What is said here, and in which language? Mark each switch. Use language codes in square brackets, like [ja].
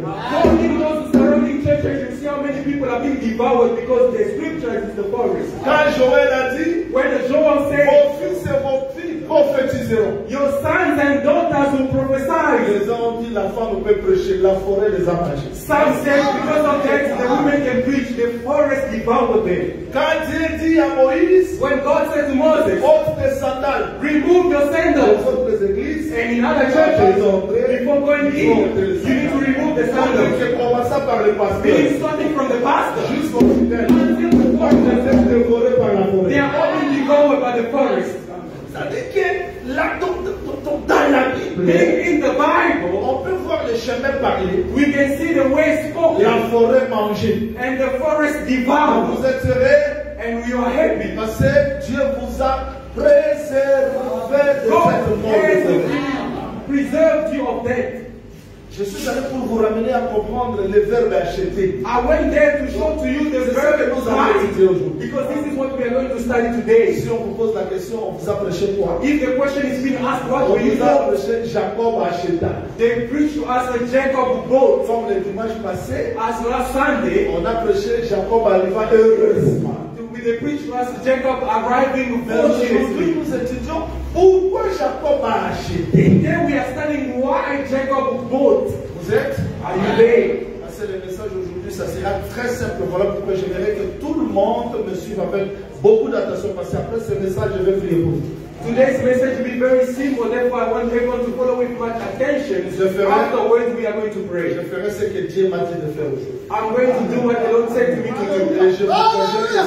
[fr] Quand Joël a dit, [en] when Joel said, [fr] vos fils et vos filles prophétiseront. [en] Your sons and daughters will prophesy. [fr] Les hommes ont dit, la femme peut prêcher, la forêt les a mangés. [en] Some said, because of that, the women can preach, the forest devoured them. [fr] Quand Dieu dit à Moïse, [en] when God said to Moses, [fr] ôte tes sandales, [en] remove your sandals. [fr] Les églises, [en] and in other churches, before going in, you need to remove the sandals. [fr] Je commence par le pasteur. [en] Being starting from the pastor. They are only devoured by the forest. Being in the Bible, [fr] on peut voir le chemin parler. [en] We can see the way spoken. [fr] La forêt manger. [en] And the forest devoured. [fr] Vous êtes heureux. [en] And we are happy. [fr] Parce que Dieu vous a préservé de cette mort. [en] God has preserved you of death. [fr] Je suis allé pour vous ramener à comprendre le verbe acheter. [en] I went there to show to you the verb that was acheter. Because this is what we are going to study today. [fr] Si on vous pose la question, on vous a prêché quoi? [en] If the question is being asked, what do you do? [fr] On vous a prêché Jacob acheta. [en] They preach to us that Jacob bought. From [fr] le dimanche passé, [en] as last Sunday, [fr] on a prêché Jacob arriva heureusement. [en] They preach to us Jacob arriving fortunately. Then we are studying why Jacob bought. [fr] Vous êtes? [en] Are you there? [fr] Parce que le message aujourd'hui, ça sera très simple. Voilà pourquoi je voudrais que tout le monde me suive avec beaucoup d'attention. Parce que après ce message, je vais prier pour vous. [en] Today's message will be very simple, therefore I want everyone to follow with much attention. Afterwards, we are going to pray. [fr] Je ferai ce que Dieu m'a dit de faire aujourd'hui. [en] I'm going to do what the Lord said to me to do.